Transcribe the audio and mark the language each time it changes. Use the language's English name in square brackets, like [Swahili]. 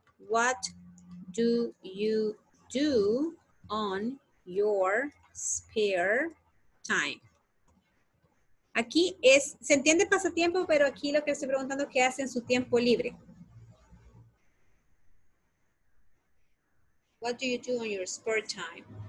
[English] What do you do on your spare time? [Spanish] Aquí es, se entiende pasatiempo, pero aquí lo que estoy preguntando es qué hace en su tiempo libre. [English] What do you do on your spare time?